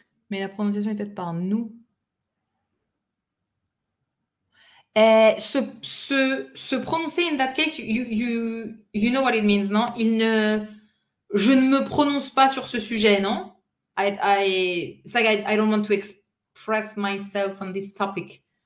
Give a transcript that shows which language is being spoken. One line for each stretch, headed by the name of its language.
French: Mais la prononciation est faite par nous.
English: Se prononcer, in that case, you know what it means, non?
French: Je ne me prononce pas sur ce sujet, non?
English: I don't want to express myself on this topic.